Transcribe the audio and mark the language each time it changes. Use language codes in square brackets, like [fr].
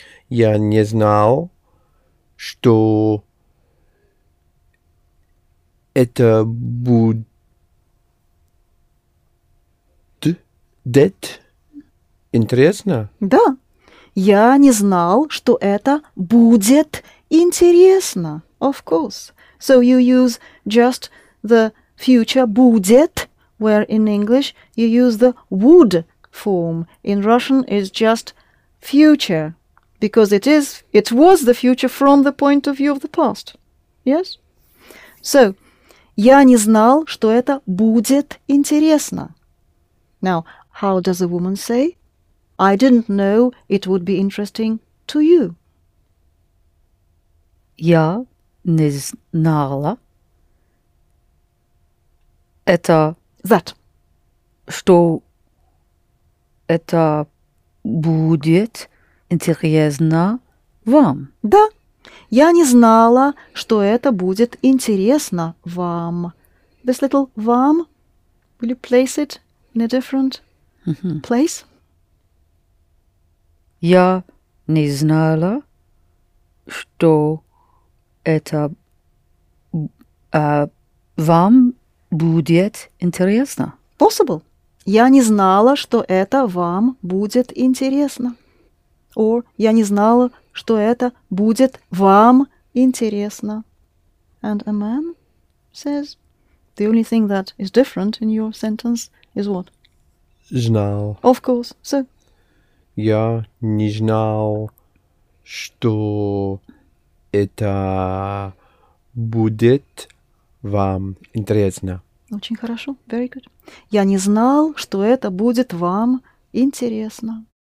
[ru] Я не знал, что это будет интересно. Да. Я не знал, что это будет интересно. [en] Of course. So you use just the future будет, where in English you use the would form. In Russian it's just future, because it was the future from the point of view of the past. Yes? [ru] So, я не знал, что это будет интересно. [en] Now, how does a woman say? I didn't know it would be interesting to you. [ru] Я не знала. Это... [en] That. [ru] Что это будет интересно вам. Да. Я не знала, что это будет интересно вам. [en] This little вам, will you place it in a different place? [ru] Я не знала, что это вам будет интересно. [en] Possible. [ru] Я не знала, что это вам будет интересно. Or, я не знала, что это будет вам интересно. [en] And a man says, the only thing that is different in your sentence is what? [ru] Знал. [en] Of course. So, [ru] я не знал, что это будет вам интересно. Очень хорошо. [en] Very good. [ru] Я не знал, что это будет вам интересно.